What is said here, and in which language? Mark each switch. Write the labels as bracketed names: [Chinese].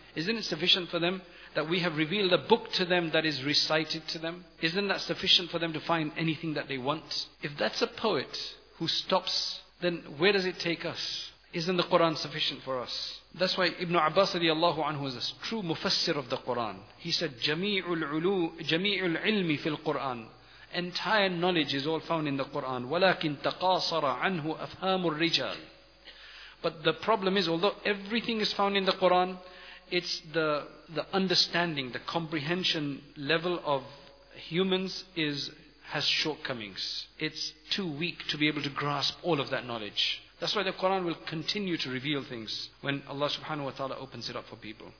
[English] Isn't it sufficient for them that we have revealed a book to them that is recited to them? Isn't that sufficient for them to find anything that they want? If that's a poet who stops, then where does it take us? Isn't the Quran sufficient for us? That's why Ibn Abbas radiallahu anhu is a true mufassir of the Quran. He said, [Arabic] جَمِيعُ الْعِلْمِ فِي الْقُرْآنِ. [English] Entire knowledge is all found in the Quran. [Arabic] وَلَكِنْ تَقَاصَرَ عَنْهُ أَفْهَامُ الرِّجَالِ. [English] But the problem is, although everything is found in the Quran, it's the understanding, the comprehension level of humans has shortcomings. It's too weak to be able to grasp all of that knowledge. That's why the Quran will continue to reveal things when Allah subhanahu wa ta'ala opens it up for people.